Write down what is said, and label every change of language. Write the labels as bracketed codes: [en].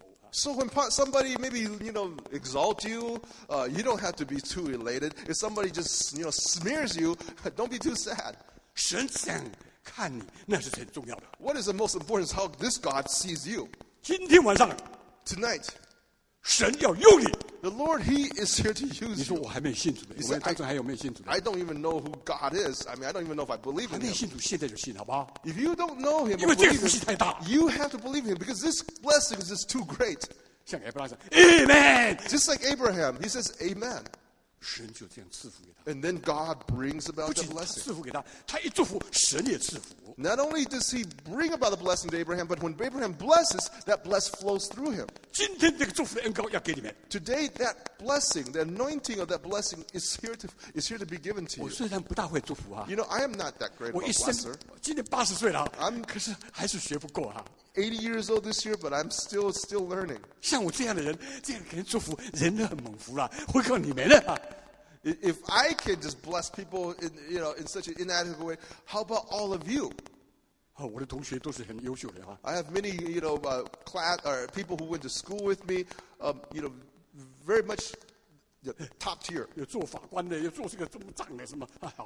[en] So when somebody maybe you know exalt you, you don't have to be too elated. If somebody just you know smears you, don't be too sad. [zh] 神想看你，那是很重要的。 [en] What is the most important is how this God sees you. [zh] 今天晚上 [en] ，tonight， [zh] 神要用你。 [en] The Lord, He is here to use you. [zh] 你说我还没信主呢，我当中还有没有信主呢 [en] ？I don't even know who God is. I mean, I don't even know if I believe in Him. [zh] 还没信主，现在就信，好不好 [en] ？If you don't know Him, [zh] 因为这个福气太大 [en] ，you have to believe Him because this blessing is just too great. [zh] 像亚伯拉罕 ，Amen. [en] Just like Abraham, he says, Amen. [zh] 神就这样赐福给他。 [en] And then God brings about the blessing. [zh] 不仅赐福给他，他一祝福，神也赐福。 [en] Not only does He bring about the blessing to Abraham, but when Abraham blesses, that blessing flows through him. [zh] 今天这个祝福的恩膏要给你们。 [en] Today, that blessing, the anointing of that blessing is here to be given to you. [zh] 我虽然不大会祝福啊。 [en] You know, I am not that great of a blesser. [zh] 我今年80岁了啊。可是还是学不够啊。 [en] 80 years old this year, but I'm still learning. [zh] 像我这样的人，这样给人祝福，人都很蒙福了。会靠你们的啊。 [en] If I can just bless people in, you know, in such an inadequate way, how about all of you? [zh] 哦、我的同学都是很优秀的、啊、 [en] I have many, you know, class or people who went to school with me, you know, very much top tier. [zh] 有做法官的，有做这个中长的什么、啊啊、